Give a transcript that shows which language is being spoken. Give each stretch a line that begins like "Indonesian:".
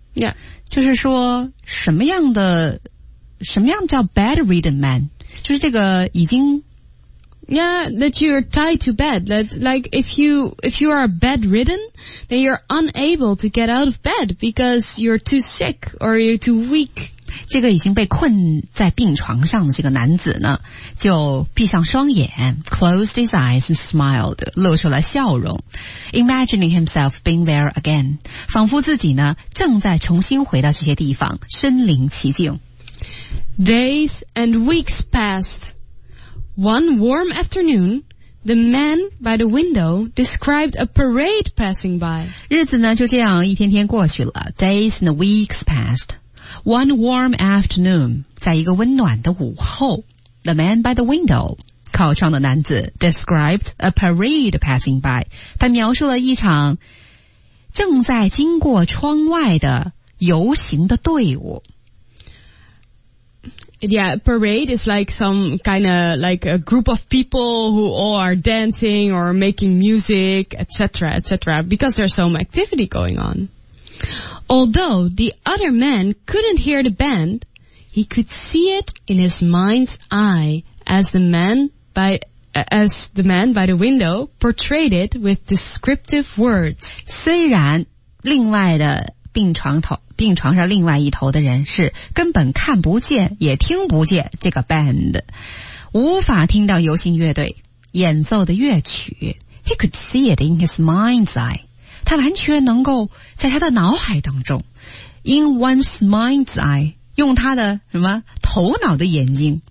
Chinese: ，yeah，就是说什么样叫
English: bedridden man，
Chinese: 就是这个已经
English: Yeah, that you're tied to bed. That, like, if you are bedridden, then you're unable to get out of bed because you're too sick or you're too weak.
Chinese: 这个已经被困在病床上的这个男子呢，就闭上双眼 ，
English: closed his eyes and smiled，
Chinese: 露出了笑容 ，
English: imagining himself being there again，
Chinese: 仿佛自己呢正在重新回到这些地方，身临其境。
English: Days and weeks passed. One warm afternoon, the man by the window described a parade passing by.
Chinese: 日子呢就这样一天天过去了 ，
English: days and weeks passed. One warm afternoon,
Chinese: 在一个温暖的午后
English: the man by the window,
Chinese: 靠窗的男子
English: described a parade passing by,
Chinese: 他描述了一场正在经过窗外的游行的队伍。
English: Yeah, parade is like some kind of like a group of people who all are dancing or making music, etc., etc., because there's some activity going on. Although the other man couldn't hear the band, he could see it in his mind's eye as the man by the window portrayed it with descriptive words.
Chinese: 虽然另外的病床上另外一头的人是根本看不见也听不见这个 band, 无法听到游行乐队演奏的乐曲
English: he could see it in his mind's eye.
Chinese: 他完全能够在他的脑海当中
English: in one's mind's eye
Chinese: 用他的什么头脑的眼睛